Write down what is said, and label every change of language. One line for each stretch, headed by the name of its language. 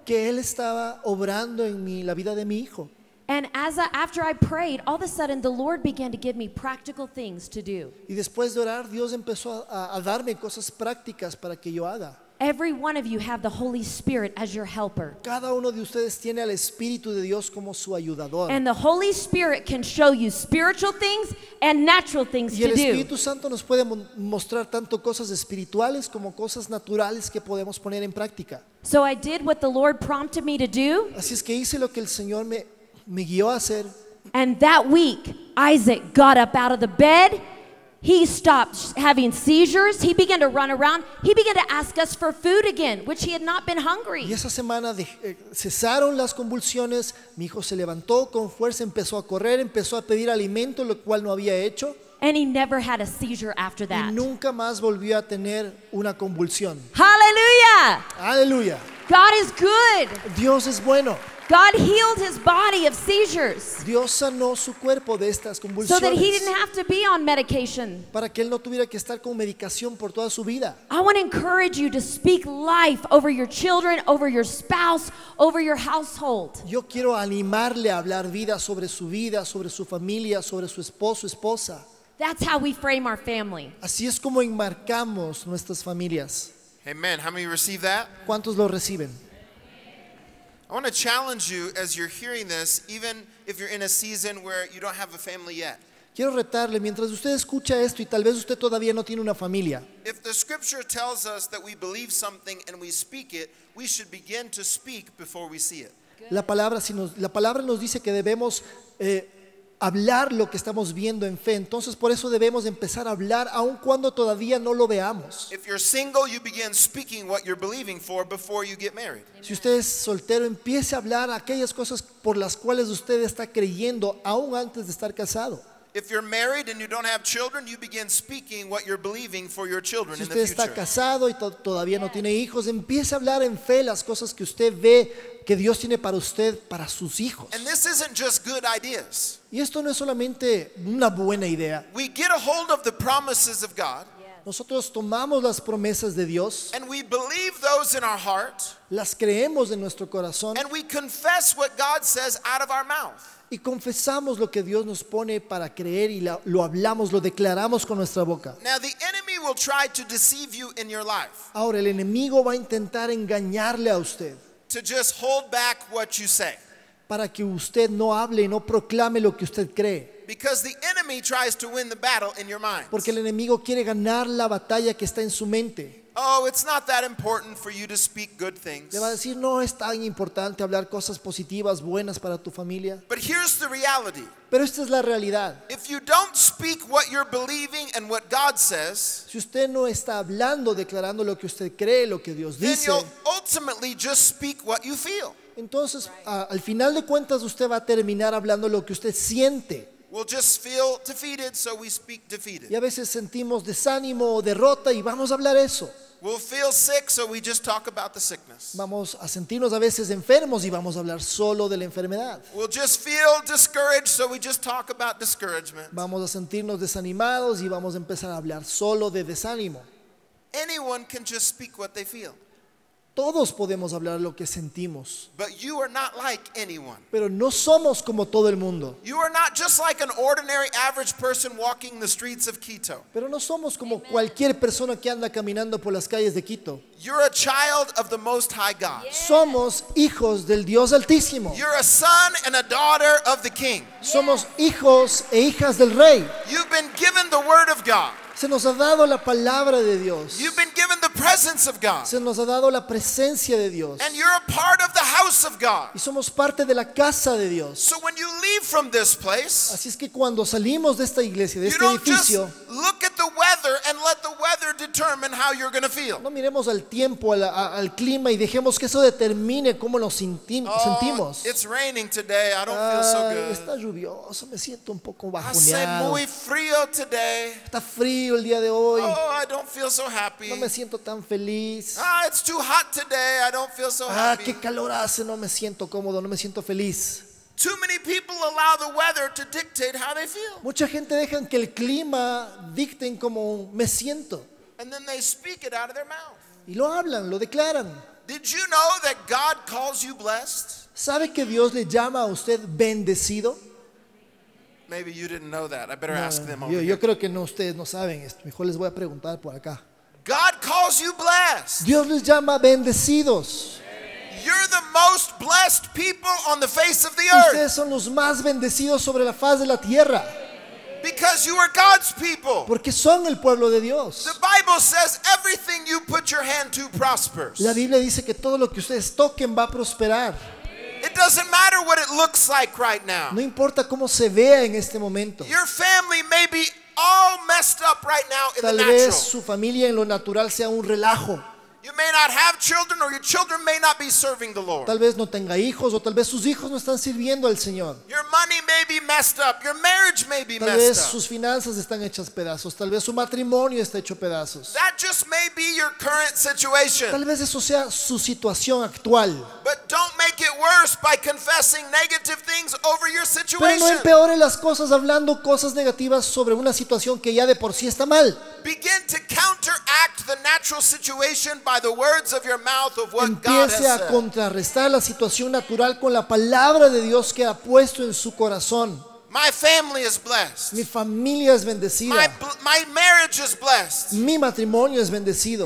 Spanish: Que él estaba obrando en la vida de mi hijo.
English: And after I prayed, all of a sudden the Lord began to give me practical things to do.
Spanish: Y después de orar, Dios empezó a darme cosas prácticas para que yo haga.
English: Every one of you have the Holy Spirit as your helper.
Spanish: Cada uno de ustedes tiene al Espíritu de Dios como su ayudador.
English: And the Holy Spirit can show you spiritual things and natural things to do.
Spanish: Y el Espíritu Santo nos puede mostrar tanto cosas espirituales como cosas naturales que podemos poner en práctica.
English: So I did what the Lord prompted me to do.
Spanish: Así es que hice lo que el Señor me guió a hacer.
English: And that week, Isaac got up out of the bed. He stopped having seizures. He began to run around. He began to ask us for food again, which he had not been hungry.
Spanish: Y esa semana cesaron las convulsiones. Mi hijo se levantó con fuerza, empezó a correr, empezó a pedir alimento, lo cual no había hecho.
English: And he never had a seizure after that.
Spanish: Y nunca más volvió a tener una convulsión. Hallelujah. Hallelujah.
English: God is good.
Spanish: Dios es bueno.
English: God healed his body of seizures.
Spanish: Dios sanó su cuerpo de estas convulsiones.
English: So that he didn't have to be on medication.
Spanish: Para que él no tuviera que estar con medicación por toda su vida.
English: I want to encourage you to speak life over your children, over your spouse, over your household.
Spanish: Yo quiero animarle a hablar vida, sobre su familia, sobre su esposo, esposa.
English: That's how we frame our family.
Spanish: Así es como enmarcamos nuestras familias.
English: Amen. How many receive that?
Spanish: ¿Cuántos lo reciben?
English: I want to challenge you as you're hearing this, even if you're in a season where you don't have a family yet.
Spanish: Quiero retarle mientras usted escucha esto y tal vez usted todavía no tiene una familia.
English: If the scripture tells us that we believe something and we speak it, we should begin to speak before we see it.
Spanish: La palabra nos dice que debemos hablar lo que estamos viendo en fe. Entonces por eso debemos empezar a hablar aun cuando todavía no lo veamos.
English: If you're single, you begin speaking what you're believing for before you get married.
Spanish: Si usted es soltero, empiece a hablar aquellas cosas por las cuales usted está creyendo aun antes de estar casado.
English: If you're married and you don't have children, you begin speaking what you're believing for your children in the future.
Spanish: Si usted está casado y todavía no tiene hijos, empiece a hablar en fe las cosas que usted ve que Dios tiene para usted, para sus hijos.
English: And this isn't just good ideas.
Spanish: Y esto no es solamente una buena idea.
English: We get a hold of the promises of God.
Spanish: Nosotros tomamos las promesas de Dios.
English: And we believe those in our heart.
Spanish: Las creemos en nuestro corazón.
English: And we confess what God says out of our mouth.
Spanish: Y confesamos lo que Dios nos pone para creer y lo hablamos, lo declaramos con nuestra boca.
English: Now the enemy will try to deceive you in your life.
Spanish: Ahora el enemigo va a intentar engañarle a usted.
English: To just hold back what you say.
Spanish: Para que usted no hable y no proclame lo que usted cree.
English: Because the enemy tries to win the battle in your mind.
Spanish: Porque el enemigo quiere ganar la batalla que está en su mente.
English: Oh, it's not that important for you to speak good things.
Spanish: Le va a decir, no es tan importante hablar cosas positivas, buenas para tu familia.
English: But here's the reality.
Spanish: Pero esta es la realidad.
English: If you don't speak what you're believing and what God says,
Spanish: si usted no está hablando, declarando lo que usted cree, lo que Dios dice,
English: then you'll ultimately just speak what you feel.
Spanish: Entonces, al final de cuentas, usted va a terminar hablando lo que usted siente.
English: We'll just feel defeated, so we speak defeated.
Spanish: Y a veces sentimos desánimo o derrota y vamos a hablar eso.
English: We'll feel sick, so we just talk about the sickness.
Spanish: Vamos a sentirnos a veces enfermos y vamos a hablar solo de la enfermedad.
English: We'll just feel discouraged, so we just talk about discouragement.
Spanish: Vamos a sentirnos desanimados y vamos a empezar a hablar solo de desánimo.
English: Anyone can just speak what they feel.
Spanish: Todos podemos hablar lo que sentimos.
English: But you are not like anyone.
Spanish: Pero no somos como todo el mundo.
English: You are not just like an ordinary average person walking the streets of Quito.
Spanish: Pero no somos como Amen. Cualquier persona que anda caminando por las calles de Quito.
English: You're a child of the Most High God. Yeah.
Spanish: Somos hijos del Dios Altísimo.
English: You're a son and a daughter of the King. Yeah.
Spanish: Somos hijos e hijas del Rey.
English: You've been given the Word of God.
Spanish: Se nos ha dado la palabra de Dios.
English: You've been given the presence of God.
Spanish: Se nos ha dado la presencia de Dios.
English: And you're a part of the house of God.
Spanish: Y somos parte de la casa de Dios.
English: So when you leave from this place,
Spanish: así es que cuando salimos de esta iglesia, de este edificio,
English: you don't just look at the weather and let the weather determine how you're going to feel.
Spanish: No miremos al tiempo, al clima y dejemos que eso determine cómo nos sentimos.
English: It's raining today. I don't feel so good.
Spanish: Está lluvioso, me siento un poco bajoneado. Hace muy frío
English: today.
Spanish: Está frío. El día de hoy.
English: Oh, I don't feel so happy.
Spanish: No me siento tan feliz.
English: Ah, it's too hot today. I don't feel so happy.
Spanish: Ah, qué calor hace. No me siento cómodo. No me siento feliz.
English: Too many people allow the weather to dictate how they feel.
Spanish: Mucha gente dejan que el clima dicten cómo me siento.
English: And then they speak it out of their mouth.
Spanish: Y lo hablan, lo declaran.
English: Did you know that God calls you blessed?
Spanish: ¿Sabe que Dios le llama a usted bendecido?
English: Maybe you didn't know that. I better ask them over
Spanish: yo,
English: here.
Spanish: Yo creo que no, ustedes no saben esto. Mejor les voy a preguntar por acá.
English: God calls you blessed.
Spanish: Dios les llama bendecidos.
English: You're the most blessed people on the face of the earth.
Spanish: Ustedes son los más bendecidos sobre la faz de la tierra.
English: Because you are God's people.
Spanish: Porque son el pueblo de Dios.
English: The Bible says everything you put your hand to prospers.
Spanish: La Biblia dice que todo lo que ustedes toquen va a prosperar.
English: It doesn't matter what it looks like right now.
Spanish: No importa cómo se vea en este momento.
English: Your family may be all messed up right now in the natural.
Spanish: Tal vez su familia en lo natural sea un relajo.
English: You may not have children, or your children may not be serving the Lord.
Spanish: Tal vez no tenga hijos, o tal vez sus hijos no están sirviendo al Señor.
English: Your money may be messed up. Your marriage may be messed up.
Spanish: Tal vez sus finanzas están hechas pedazos. Tal vez su matrimonio está hecho pedazos.
English: That just may be your current situation.
Spanish: Tal vez eso sea su situación actual.
English: But don't make it worse by confessing negative things over your situation.
Spanish: Pero no empeore las cosas hablando cosas negativas sobre una situación que ya de por sí está mal.
English: Begin to counteract the natural situation by the words of your mouth of what God has said.
Spanish: Empiece a contrarrestar la situación natural con la palabra de Dios que ha puesto en su corazón.
English: My family is blessed.
Spanish: Mi familia es bendecida.
English: My marriage is blessed.
Spanish: Mi matrimonio es bendecido.